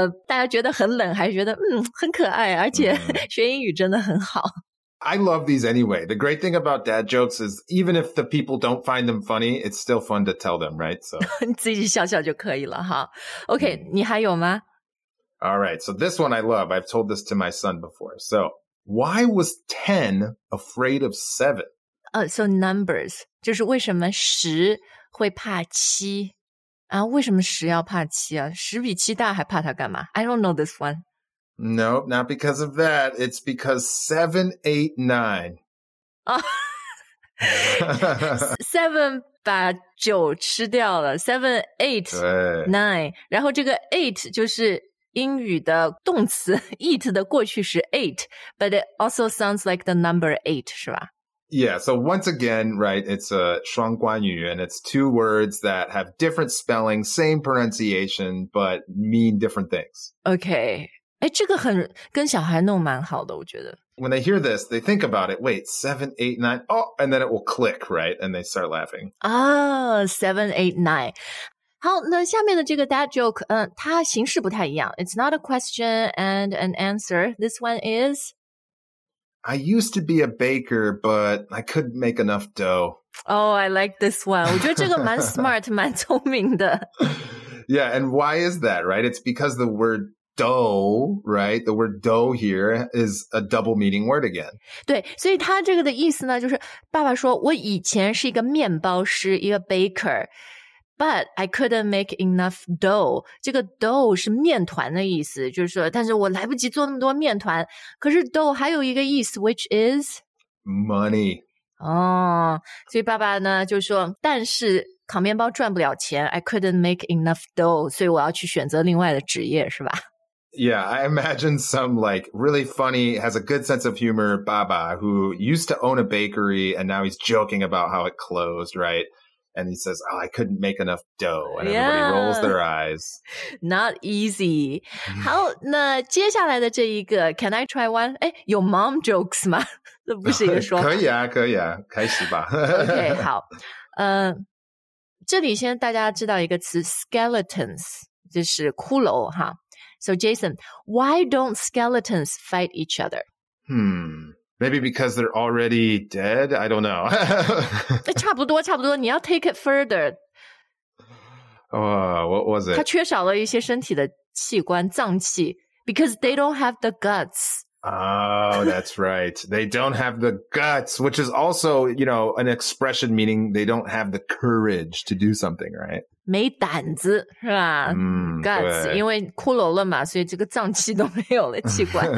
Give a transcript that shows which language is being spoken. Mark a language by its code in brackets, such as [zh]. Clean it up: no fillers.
[zh] 大家觉得很冷，还是觉得很可爱，而且学英语真的很好。 [en] I love these anyway. The great thing about dad jokes is even if the people don't find them funny, it's still fun to tell them, right? So [zh] 自己笑笑就可以了哈。Okay, 你还有吗？ [en] All right, so this one I love. I've told this to my son before. So, why was 10 afraid of 7? [zh] So numbers. 就是为什么10会怕7? 啊，为什么10要怕7啊？10比7大还怕它干嘛? [en] I don't know this one. Nope, not because of that. It's because 7, 8, 9. [zh] 7把9吃掉了。 7, 8, 9. 然后这个8就是英语的动词 eat 的过去时 [en] ate, but it also sounds like the number 8, [zh] 是吧? [en] Yeah, so once again, right, it's a 双关语 and it's two words that have different spelling, same pronunciation, but mean different things. Okay. [zh] 哎，这个很跟小孩弄蛮好的，我觉得。 [en] When they hear this, they think about it. Wait, 7, 8, 9, oh, and then it will click, right? And they start laughing. [zh] Oh, 7, 8, 9. 好，那下面的这个 dad joke, 它形式不太一样。 [en] It's not a question and an answer. This one is? I used to be a baker, but I couldn't make enough dough. Oh, I like this one. [zh] 我觉得这个蛮 smart, 蛮聪明的。 [en] Yeah, and why is that, right? It's because the word dough, right? The word dough here is a double meaning word again. [zh] 对，所以它这个的意思呢，就是爸爸说我以前是一个面包师，一个 baker。 [en] But I couldn't make enough dough. [zh] 这个 dough 是面团的意思，就是说，但是我来不及做那么多面团。可是 dough 还有一个意思 ， [en] which is money. [zh] 哦，所以爸爸呢就说，但是烤面包赚不了钱 ， [en] I couldn't make enough dough. [zh] 所以我要去选择另外的职业，是吧？ [en] Yeah, I imagine some like really funny, has a good sense of humor, Baba, who used to own a bakery and now he's joking about how it closed, right? And he says, oh, I couldn't make enough dough. And everybody rolls their eyes. Not easy. [zh] 好，那接下来的这一个 , [en] can I try one? [zh] 诶，有 mom jokes 吗？这不是一个说法。可以啊，可以啊，开始吧。 OK, 好。这里先大家知道一个词 ,skeletons, 就是骷髅哈。 [en] So Jason, why don't skeletons fight each other? Maybe because they're already dead? I don't know. [zh] 差不多差不多你要 [en] take it further. What was it? [zh] 他缺少了一些身体的器官脏器 [en] because they don't have the guts. Oh, that's right. They don't have the guts, which is also, you know, an expression meaning they don't have the courage to do something, right? [zh] 没胆子是吧 guts, 因为骷髅了嘛所以这个脏器都没有了器官。